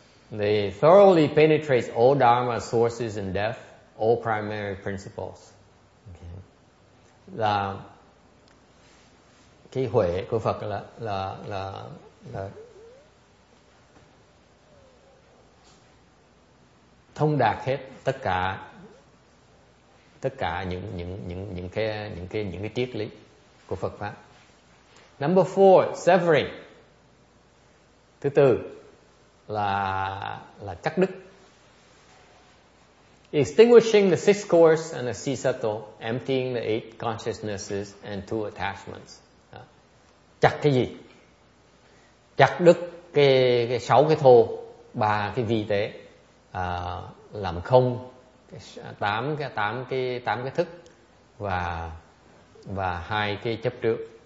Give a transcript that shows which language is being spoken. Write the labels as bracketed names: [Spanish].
[English] They thoroughly penetrates all Dharma sources and depth, all primary principles. Okay. [Vietnamese] Là cái huệ của Phật là thông đạt hết tất cả những cái triết lý của Phật pháp. [English] Number four, severing. [Vietnamese] Thứ tư là cắt đứt. [English] Extinguishing the six cords and the sisato, emptying the eight consciousnesses and two attachments. [Vietnamese] Chặt cái gì? Chặt đứt cái sáu cái thô, ba cái vi tế, làm không tám cái thức và hai cái chấp trước.